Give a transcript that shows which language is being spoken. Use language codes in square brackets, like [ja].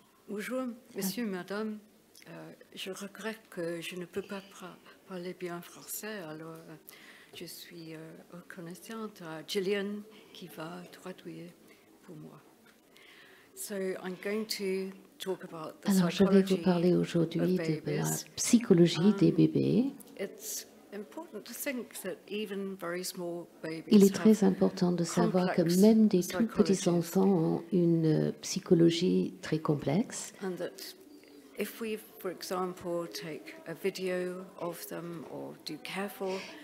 [fr] Bonjour, monsieur, madame, je regrette que je ne peux pas parler bien français, alors... Je suis reconnaissante à Gillian qui va traduire pour moi. [en] So I'm going to talk about the [fr] Alors, je vais vous parler aujourd'hui de la psychologie des bébés. [en] It's important to think that even very small babies [fr] Il est très important de savoir que même des tout petits enfants ont une psychologie très complexe. [en] And that if we, for example, take a video of them or do careful